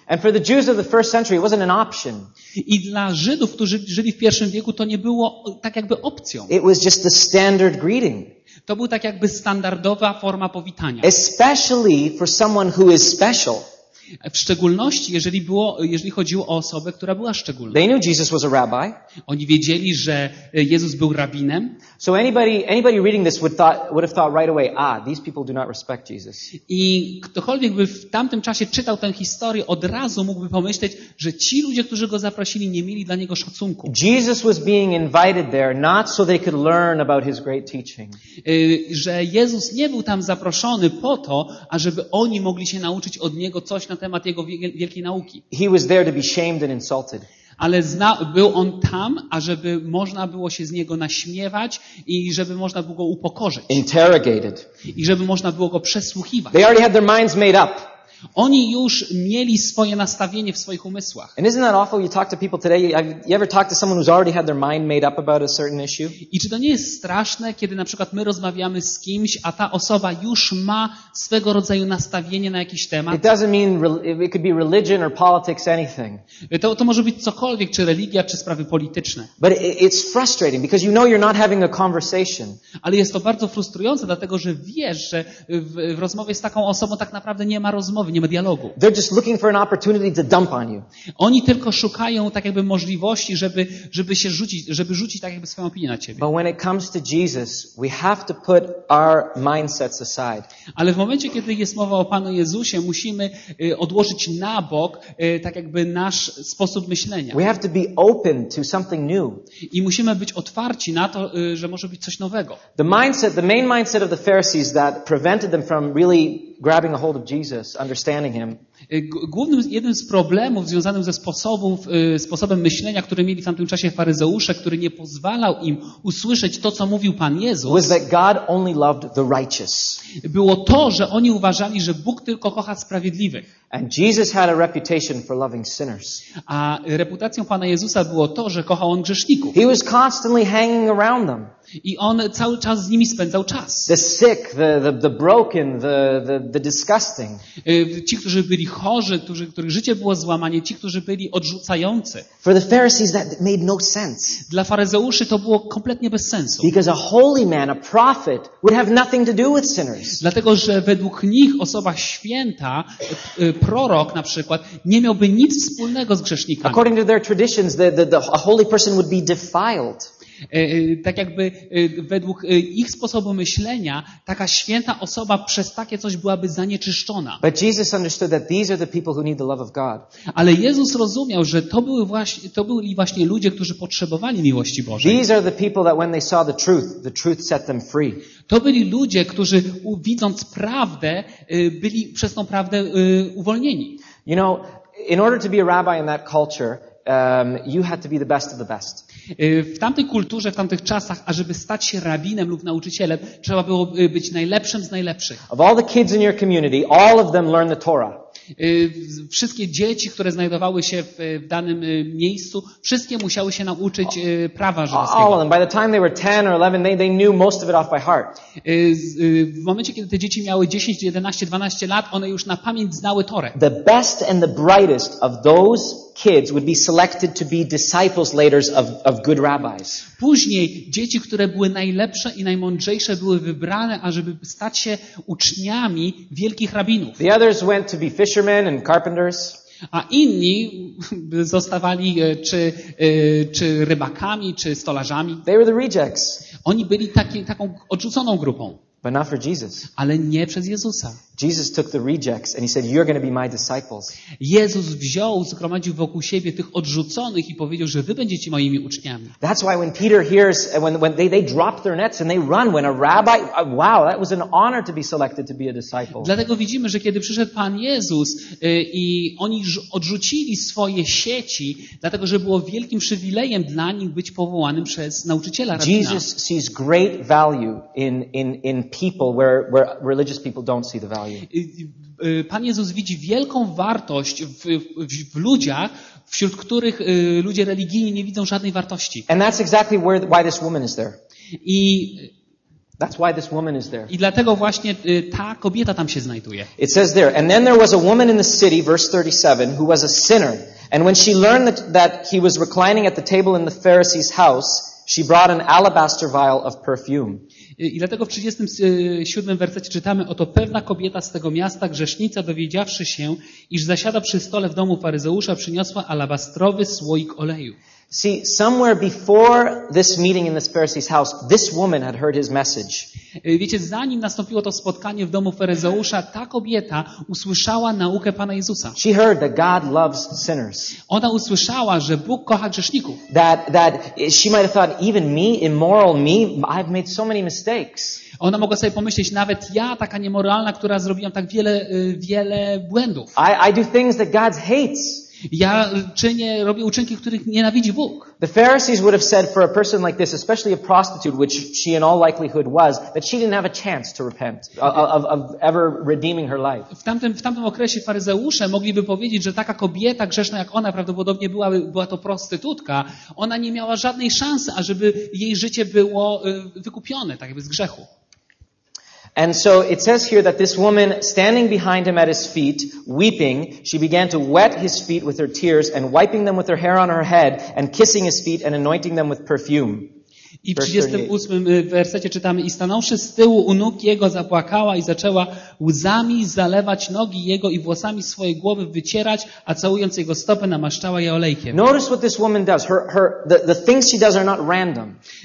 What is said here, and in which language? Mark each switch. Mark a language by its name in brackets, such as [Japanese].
[English] And for the Jews of the first century, it wasn't an option. [Polish] I dla Żydów, którzy żyli w pierwszym wieku, to nie było tak jakby opcją. [English] It was just the standard greeting. [Polish] To był tak jakby standardowa forma powitania. [English] Especially for someone who is special. [Polish] W szczególności, jeżeli chodziło o osobę, która była szczególna. [English] They knew Jesus was a rabbi. [Polish] Oni wiedzieli, że Jezus był rabinem. [English] So anybody reading this would have thought right away, ah, these people do not respect Jesus. [Polish] I ktokolwiek by w tamtym czasie czytał tę historię, od razu mógłby pomyśleć, że ci ludzie, którzy go zaprosili, nie mieli dla niego szacunku. [English] Jesus was being invited there not so they could learn about his great teaching. [Polish] Że Jezus nie był tam zaproszony po to, ażeby oni mogli się nauczyć od niego coś na temat jego wielkiej nauki. [English] He was there to be shamed and insulted. [Polish] Ale był on tam, ażeby można było się z niego naśmiewać i żeby można było go upokorzyć. [English] Interrogated. [Polish] I żeby można było go przesłuchiwać. [English] They already had their minds made up. [Polish] Oni już mieli swoje nastawienie w swoich umysłach. [English] And isn't that awful? You talk to people today. You ever talk to someone who's already had their mind made up about a certain issue? [Polish] I czy to nie jest straszne, kiedy na przykład my rozmawiamy z kimś, a ta osoba już ma swego rodzaju nastawienie na jakiś temat? [English] It doesn't mean it could be religion or politics, anything. [Polish] To może być cokolwiek, czy religia, czy sprawy polityczne. [English] But it's frustrating because you know you're not having a conversation. [Polish] Ale jest to bardzo frustrujące, dlatego że wiesz, że w rozmowie z taką osobą tak naprawdę nie ma rozmowy. Nie ma dialogu. [English] They're just looking for an opportunity to dump on you. [Polish] Oni tylko szukają tak jakby możliwości, żeby rzucić tak jakby swoją opinię na ciebie. [English] But when it comes to Jesus, we have to put our mindsets aside. [Polish] Ale w momencie, kiedy jest mowa o Panu Jezusie, musimy odłożyć na bok tak jakby nasz sposób myślenia. [English] We have to be open to something new. [Polish] I musimy być otwarci na to, że może być coś nowego. [English] The mindset, the main mindset of the Pharisees that prevented them from really grabbing a hold of Jesus, understanding him. [Polish] Głównym jednym z problemów związanym ze sposobem myślenia, który mieli w tamtym czasie faryzeusze, który nie pozwalał im usłyszeć to, co mówił Pan Jezus, [English] was that God only loved the righteous. [Polish] Było to, że oni uważali, że Bóg tylko kocha sprawiedliwych. [English] And Jesus had a reputation for loving sinners. [Polish] A reputacją Pana Jezusa było to, że kochał on grzeszników. [English] He was constantly hanging around them. [Polish] I on cały czas z nimi spędzał czas. [English] The sick, the broken, the disgusting. [Polish] Ci, którzy byli chorzy, których życie było złamane, ci, którzy byli odrzucający. [English] For the Pharisees that made no sense. [Polish] Dla faryzeuszy to było kompletnie bez sensu. [English] Because a holy man, a prophet would have nothing to do with sinners. [Polish] Dlatego że według nich osoba święta, prorok na przykład, nie miałby nic wspólnego z grzesznikami. [English] According to their traditions, a holy person would be defiled. [Polish] Tak jakby według ich sposobu myślenia taka święta osoba przez takie coś byłaby zanieczyszczona. [English] But Jesus understood that these are the people who need the love of God. [Polish] Ale Jezus rozumiał, że to byli właśnie ludzie, którzy potrzebowali miłości Bożej. [English] These are the people that when they saw the truth set them free. [Polish] To byli ludzie, którzy widząc prawdę, byli przez tą prawdę uwolnieni. [English] You know, in order to be a rabbi in that culture, you had to be the best of the best. [Polish] W tamtej kulturze, w tamtych czasach, ażeby stać się rabinem lub nauczycielem, trzeba było być najlepszym z najlepszych. [English] Of all the kids in your community, all of them learn the Torah. [Polish] Wszystkie dzieci, które znajdowały się w danym miejscu, wszystkie musiały się nauczyć prawa żydowskiego. [English] All of them. By the time they were 10 or 11, they knew most of it off by heart. [Polish] W momencie, kiedy te dzieci miały 10, 11, 12 lat, one już na pamięć znały Torę. [English] The best and the brightest of those kids would be selected to be disciples later of good rabbis. [Polish] Później dzieci, które były najlepsze i najmądrzejsze, były wybrane, ażeby stać się uczniami wielkich rabinów. [English] The others went to be fishermen and carpenters. [Polish] A inni zostawali czy rybakami, czy stolarzami. [English] They were the rejects. [Polish] Oni byli taką odrzuconą grupą. [English] But not for Jesus. [Polish] Ale nie przez Jezusa. [English] Jesus took the rejects and he said, "You're going to be my disciples." [Polish] Jezus wziął, zgromadził wokół siebie tych odrzuconych i powiedział, że wy będziecie moimi uczniami. [English] That's why when Peter hears, when they drop their nets and they run, when a rabbi, wow, that was an honor to be selected to be a disciple. [Polish] Dlatego widzimy, że kiedy przyszedł Pan Jezus i oni odrzucili swoje sieci, dlatego że było wielkim przywilejem dla nich być powołanym przez nauczyciela rabina. [English] Jesus sees great value in people where religious people don't see the value. [Polish] Pan Jezus widzi wielką wartość w ludziach, wśród których ludzie religijni nie widzą żadnej wartości. [English] And that's exactly why this woman is there. [Polish] I [English] that's why this woman is there. [Polish] I dlatego właśnie ta kobieta tam się znajduje. [English] It says there, and then there was a woman in the city, verse 37, who was a sinner. And when she learned that he was reclining at the table in the Pharisee's house, she brought an alabaster vial of perfume. [Polish] I dlatego w 37 wersecie czytamy: oto pewna kobieta z tego miasta, grzesznica, dowiedziawszy się, iż zasiada przy stole w domu faryzeusza, przyniosła alabastrowy słoik oleju. [English] See, somewhere before this meeting in this Pharisee's house, this woman had heard his message. [Polish] Wiecie, zanim nastąpiło to spotkanie w domu faryzeusza, ta kobieta usłyszała naukę Pana Jezusa. [English] She heard that God loves sinners. [Polish] Ona usłyszała, że Bóg kocha grzeszników. [English] That she might have thought, even me, immoral me, I've made so many mistakes. [Polish] Ona mogła sobie pomyśleć, nawet ja, taka niemoralna, która zrobiłam tak wiele, wiele błędów. [English] I do things that God hates. [Polish] Ja czynię, robię uczynki, których nienawidzi Bóg. [English] The Pharisees would have said for a person like this, especially a prostitute, which she in all likelihood was, that she didn't have a chance to repent of ever redeeming her life. [Polish] W tamtym okresie faryzeusze mogliby powiedzieć, że taka kobieta grzeszna jak ona prawdopodobnie była to prostytutka, ona nie miała żadnej szansy, ażeby jej życie było wykupione, tak jakby z grzechu. [English] And so it says here that this woman standing behind him at his feet, weeping, she began to wet his feet with her tears and wiping them with her hair on her head and kissing his feet and anointing them with perfume. [Polish] I w 38 wersecie czytamy, i stanąwszy z tyłu u nóg jego, zapłakała i zaczęła łzami zalewać nogi jego i włosami swojej głowy wycierać, a całując jego stopy namaszczała je olejkiem. [English] Notice what this woman does. The things she does are not random.